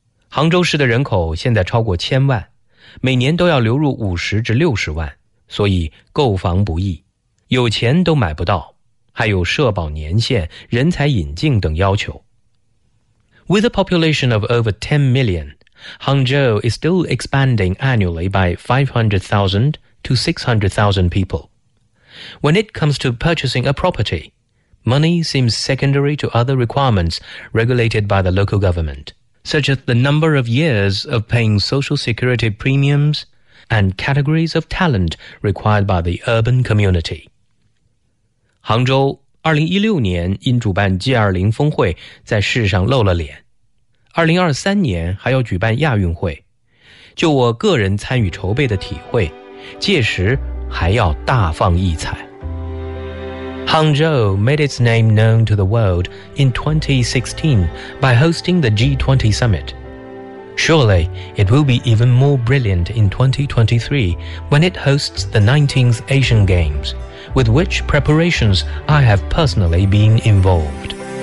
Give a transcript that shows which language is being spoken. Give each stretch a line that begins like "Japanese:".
Chinese: 杭州市的人口现在超过千万，每年都要流入50至60万，所以购房不易，有钱都买不到，还有社保年限、人才引进等要求。
English: With a population of over 10 million, Hangzhou is still expanding annually by 500,000 to 600,000 people. When it comes to purchasing a property, money seems secondary to other requirements regulated by the local government, such as the number of years of paying social security premiums and categories of talent required by the urban community.
Chinese: Hangzhou2016年因主办 G20 峰会在世上露了脸，2023年还要举办亚运会，就我个人参与筹备的体会，届时还要大放异彩。
English: Hangzhou made its name known to the world in 2016 by hosting the G20 summit. Surely it will be even more brilliant in 2023 when it hosts the 19th Asian Games. With which preparations I have personally been involved.